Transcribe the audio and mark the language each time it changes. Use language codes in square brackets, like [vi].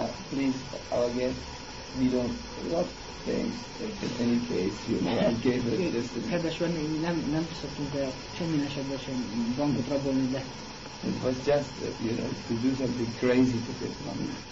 [en] Please, our guest, we don't rob things in any case, you know, I gave it just a... [hu] Kedves vendégünk, nem szoktunk semmi esetben sem bankot rabolni, de [en] it was just, you know, to do something crazy to get money.